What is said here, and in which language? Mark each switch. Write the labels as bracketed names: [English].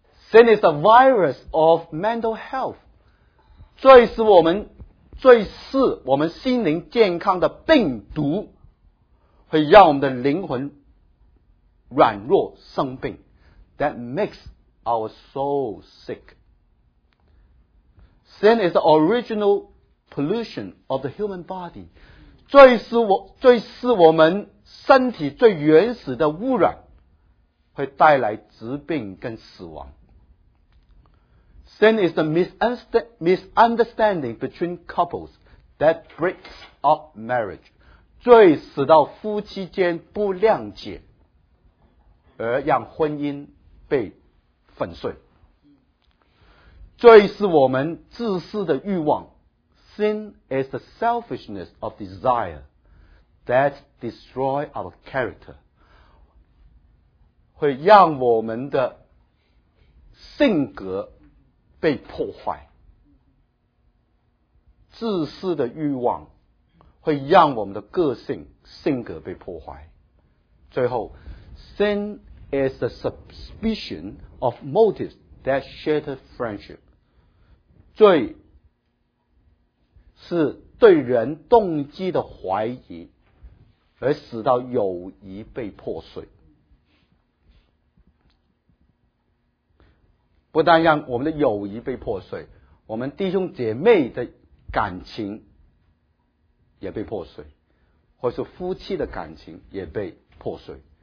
[English] Sin is a virus of mental health. [Chinese] 罪是我们，罪是我们心灵健康的病毒，会让我们的灵魂软弱生病。 [English] That makes our soul sick. Sin is the original pollution of the human body. [Chinese] 罪是我们身体最原始的污染，会带来疾病跟死亡。 [English] Sin is the misunderstanding between couples that breaks up marriage. [Chinese] 罪使到夫妻间不谅解，而让婚姻被粉碎。罪是我们自私的欲望。 [English] Sin is the selfishness of desire that destroys our character. [Chinese] 会让我们的性格被破坏，自私的欲望会让我们的个性性格被破坏。最后， [English] Sin is the suspicion of motives that shatter friendship. [Chinese] 罪是对人动机的怀疑，而使到友谊被破碎。不但让我们的友谊被破碎，我们弟兄姐妹的感情也被破碎，或是夫妻的感情也被破碎。